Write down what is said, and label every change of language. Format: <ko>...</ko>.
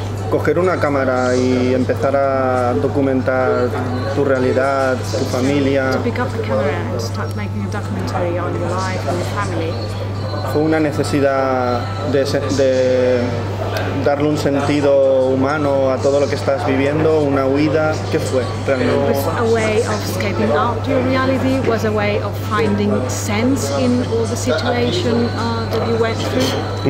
<es>Coger una cámara y empezar a documentar tu realidad, tu familia.</es> <en>To pick up a camera and start making a documentary on your life and your family.</en> <es>Fue una necesidad de darle un sentido humano a todo lo que estás viviendo, una huida. ¿Qué fue realmente?</es> <en>It was a way of escaping out your reality. It was a way of finding sense in all the situation that you went through.</en>